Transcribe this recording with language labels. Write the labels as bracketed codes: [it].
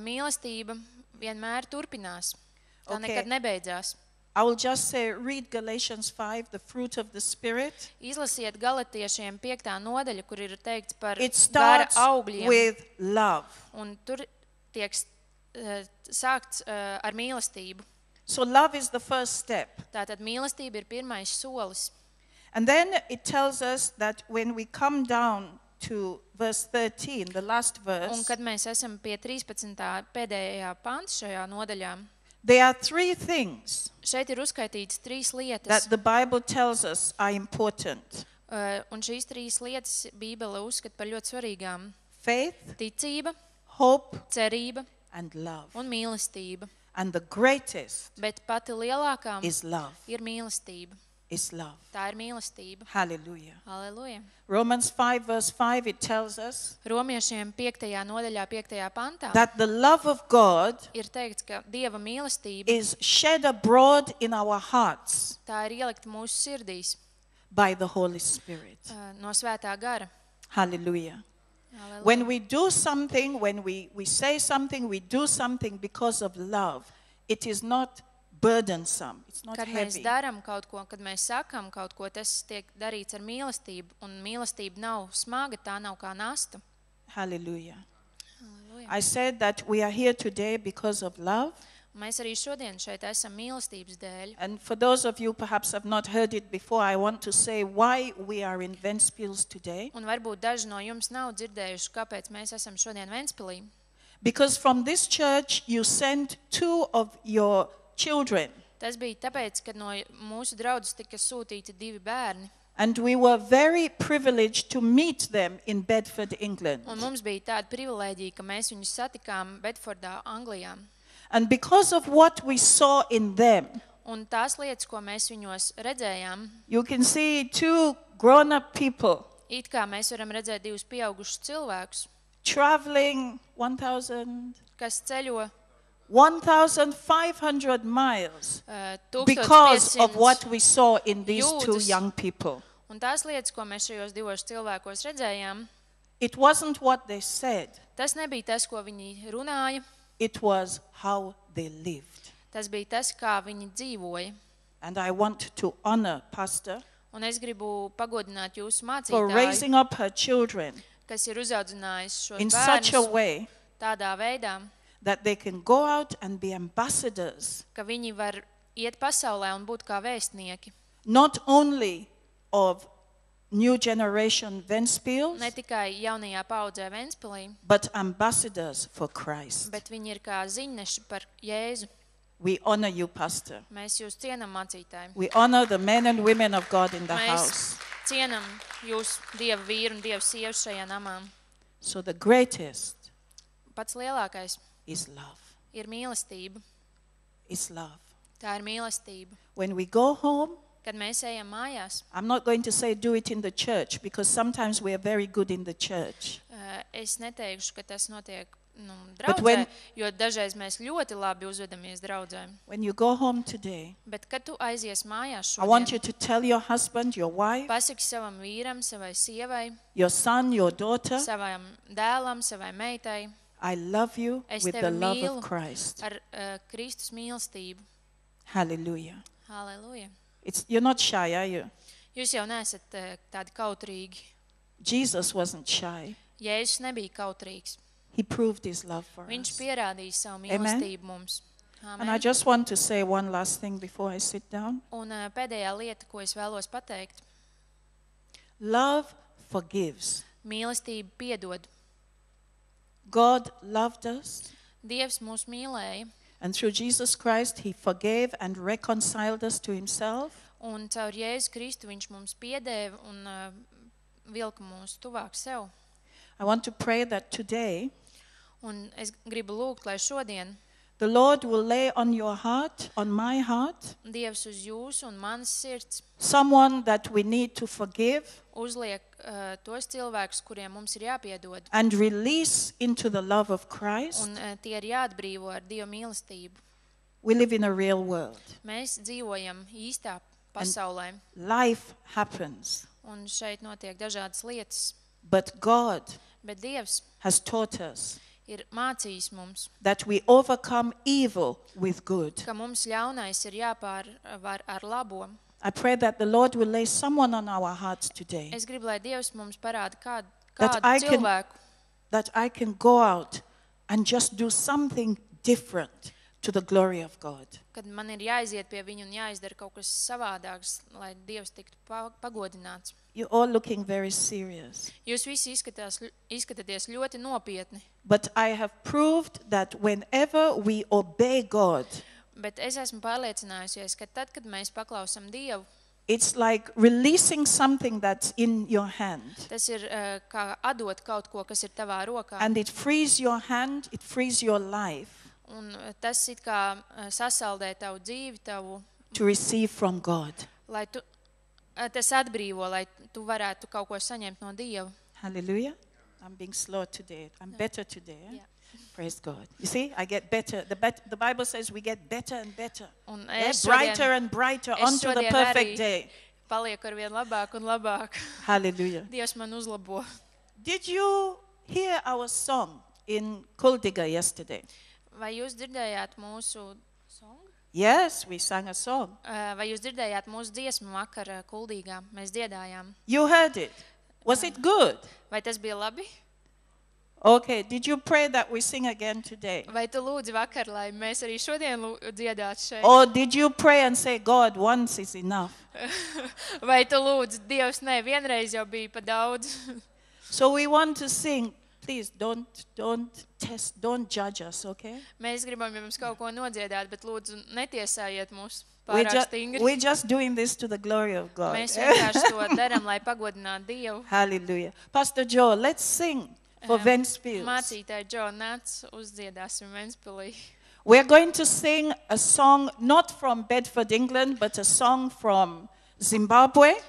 [lv] Mīlestība vienmēr turpinās. Tā okay. Nekad nebeidzās. [en] I will just say read Galatians 5 the fruit of the spirit. [lv] Izlasiet Galatiešiem 5. Nodaļu, kur ir teikts par gara augļiem. [en] With love. [lv] Un tur tiek sākts ar mīlestību. [en] So love is the first step. [lv] Tātad mīlestība ir pirmais solis. [en] And then it tells us that when we come down to verse 13, the last verse. [lv] Un kad mēs esam pie 13. Pēdējā pants šajā nodaļā. [en] There are three things. [lv] Šeit ir uzskaitītas trīs lietas. [en] That the Bible tells us are important. [lv] Un šīs trīs lietas Bībele uzskata par ļoti svarīgām. [en] Faith. [lv] Ticība. [en] Hope. [lv] Cerība. [en] And love. [lv] Un mīlestība. [en] And the greatest. [lv] Bet pati lielākā. [en] Is love. [lv] Ir mīlestība. [en] Is love. [lv] Tā ir mīlestība. Hallelujah. Hallelujah. [en] Romans 5 verse 5 it tells us. [lv] Romiešiem 5. Nodaļā 5. Pantā. [en] That the love of God [lv] ir teikts, ka Dieva mīlestība [en] is shed abroad in our hearts. [lv] Tā ir ielikt mūsu sirdīs. [en] By the Holy Spirit. [lv] No Svētā Gara. Hallelujah. Hallelujah. [en] When we do something, when we say something, we do something because of love, it is not burdensome. It's not [lv] kad [en] heavy. [lv] Mēs daram kaut ko, kad mēs sakam kaut ko, tas tiek darīts ar mīlestību, un mīlestība nav smaga, tā nav kā nasta. Hallelujah. Hallelujah. [en] I said that we are here today because of love. [lv] Mēs arī šodien šeit esam mīlestības dēļ. [en] And for those of you perhaps have not heard it before, I want to say why we are in Ventspils today. [lv] Un varbūt daži no jums nav dzirdējuši, kāpēc mēs esam šodien Ventspilī. [en] Because from this church you sent two of your children. [lv] Tas bija tāpēc, kad no mūsu draudzes tika sūtīti divi bērni. [en] And we were very privileged to meet them in Bedford, England. [lv] Un mums bija tāda privilēģija, ka mēs viņus satikām Bedfordā, Anglijā. [en] And because of what we saw in them. [lv] Un tās lietas, ko mēs viņos redzējām. [en] You can see two grown-up people. [lv] It kā mēs varam redzēt divus pieaugušus cilvēkus. [en] Traveling 1000. [lv] Kas ceļo [en] 1500 miles. Because of what we saw in these two young people. [lv] Un tās lietas, ko mēs šajos divos cilvēkos redzējām. [en] It wasn't what they said. [lv] Tas nebija tas, ko viņi runāja. [en] It was how they lived. [lv] Tas bija tas, kā viņi dzīvoja. [en] And I want to honor pastor. [lv] Un es gribu pagodināt jūsu mācītāju. [en] For raising up her children. [lv] Kas ir uzaudzinājis šos bērnus. [en] In such a way. [lv] Tādā veidā. [en] that they can go out and be ambassadors. [lv] Ka viņi var iet pasaulē un būt kā vēstnieki. [en] Not only of new generation Ventspils, [lv] ne tikai jaunajā paaudzē Ventspilī, [en] but ambassadors for Christ. [lv] Bet viņi ir kā ziņneši par Jēzu. [en] We honor you, pastor. [lv] Mēs jūs cienam, mācītāji. [en] We honor the men and women of God in the [lv] Mēs [en] house. [lv] Cienam jūs Dieva vīru un Dieva sievu šajā namā. [en] So the greatest [lv] Pats lielākais [en] is love. [lv] Ir mīlestība. [en] Is love. [lv] Tā ir mīlestība. [en] When we go home, [lv] kad mēs ejam mājās, [en] I'm not going to say do it in the church because sometimes we are very good in the church. [lv] Es neteikšu, ka tas notiek, nu, draudzē, [en] when, [lv] jo dažreiz mēs ļoti labi uzvedamies draudzē. [en] When you go home today, [lv] bet kad tu aizies mājās šodien, [en] I want you to tell your husband, your wife, [lv] pasaki savam vīram, savai sievai, [en] your son, your daughter, [lv] savam dēlam, savai meitai, [en] I love you [lv] es [en] with the love of Christ. [lv] Ar Kristus mīlestību. Hallelujah. Hallelujah. [en] It's you're not shy, are you? [lv] Jūs jau neesat tādi kautrīgi. [en] Jesus wasn't shy. [lv] Jēzus nebija kautrīgs. [en] He proved his love for [lv] Viņš [en] us. [lv] Viņš pierādīja savu mīlestību mums. [en] Amen. And I just want to say one last thing before I sit down. [lv] Un pēdējā lieta, ko es vēlos pateikt. [en] Love forgives. [lv] Mīlestība piedod. [en] God loved us. [lv] Dievs mūs mīlēja. [en] And through Jesus Christ he forgave and reconciled us to himself. [lv] Un caur Jēzu Kristu viņš mums piedēva un vilka mūs tuvāk sev. [en] I want to pray that today. [lv] Un es gribu lūgt, lai šodien. [en] The Lord will lay on your heart, on my heart. [lv] Dievs uz jūsu un manas sirds. [en] Someone that we need to forgive. [lv] Uzliek tos cilvēkus, kuriem mums ir jāpiedod. [en] And release into the love of Christ. [lv] Un tie ir jāatbrīvo ar Dieva mīlestību. [en] We live in a real world. [lv] Mēs dzīvojam īstā pasaulē. [en] And life happens. [lv] Un šeit notiek dažādas lietas. [en] But God [lv] Bet Dievs [en] has taught us [lv] ir mācījis mums [en] that we overcome evil with good. [lv] Ka mums ļaunais ir jāpārvar ar labo. [en] I pray that the Lord will lay someone on our hearts today. [lv] Es gribu, lai Dievs mums parāda kādu cilvēku. [en] That I can go out and just do something different to the glory of God. [lv] Kad man ir jāiziet pie viņa un jāizdara kaut kas savādāks, lai Dievs tiktu pagodināts. [en] You all looking very serious. [lv] Jūs visi izskatāties ļoti nopietni. [en] But I have proved that whenever we obey God, [lv] Bet es esmu pārliecinājusies, ka tad, kad mēs paklausam Dievu, [en] it's like releasing something that's in your hand. [lv] Tas ir kā atdot kaut ko, kas ir tavā rokā. [en] And it frees your hand, it frees your life. [lv] Un tas it kā sasaldē tavu dzīvi, tavu... [en] To receive from God. [lv] Lai tu, tas atbrīvo, lai tu varētu kaut ko saņemt no Dieva. [en] Hallelujah. I'm being slow today. I'm better today. Yeah. Praise God. You see, I get better. The Bible says we get better and better. [lv] Un es yeah, [en] brighter and brighter onto the perfect day. [lv] Palieku arvien labāk un labāk. Hallelujah. Dievs man uzlabo. [en] Did you hear our song in Kuldiga yesterday? [lv] Vai jūs dzirdējāt mūsu [en] song? Yes, we sang a song. [lv] Vai jūs dzirdējāt mūsu dziesmu vakar Kuldīgā? Mēs dziedājām. [en] You heard it. Was it good? [lv] Vai tas bija labi? [en] Okay, did you pray that we sing again today? [lv] Vai tu lūdzi vakar, lai mēs arī šodien dziedātu šeit? [en] Or did you pray and say, God, once is enough? [lv] Vai tu lūdzi, Dievs, ne, vienreiz jau bija pa daudz. [en] So we want to sing, please don't judge us, okay? [lv] Mēs gribam jums kaut ko nodziedāt, bet lūdzu, netiesājiet mūs pārāk stingri. [en] We're just doing this to the glory of God. [lv] Mēs vienkārši to daram, lai pagodinātu Dievu. [en] Hallelujah. Pastor Joe, let's sing. For Ventspils. [lv] Mācītāji Jaunā, uzdziedāsim Ventspilī. [en] We are going to sing a song not from Bedford, England, but a song from Zimbabwe,